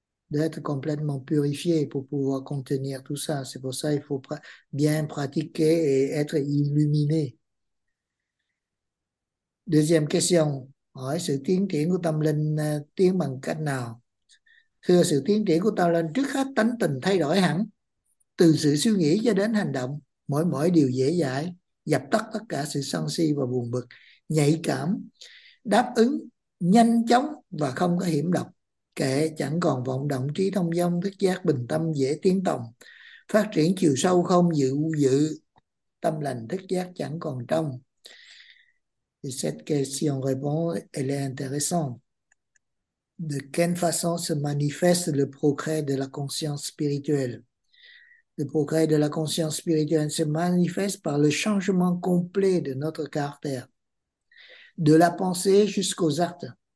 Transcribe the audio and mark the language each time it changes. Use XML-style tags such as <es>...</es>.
<fr>D'être complètement purifié pour pouvoir contenir tout ça. C'est pour ça qu'il faut bien pratiquer et être illuminé. Deuxième question.</fr> <vi>Hỏi sự tiến triển của tâm linh tiến bằng cách nào? Thưa sự tiến triển của tâm linh trước hết tánh tình thay đổi hẳn. Từ sự suy nghĩ cho đến hành động, mỗi mỗi điều dễ dãi, dập tắt tất cả sự sân si và buồn bực, nhạy cảm, đáp ứng nhanh chóng và không có hiểm độc. Kệ chẳng còn vọng động, trí thông dong, thức giác bình tâm, dễ tiến tâm, phát triển chiều sâu không dự dự, tâm lành thức giác chẳng còn trong.</vi> <fr>Cette question répond, elle est intéressante. De quelle façon se manifeste le progrès de la conscience spirituelle? Le progrès de la conscience spirituelle se manifeste par le changement complet de notre caractère, de la pensée jusqu'aux actes.</fr>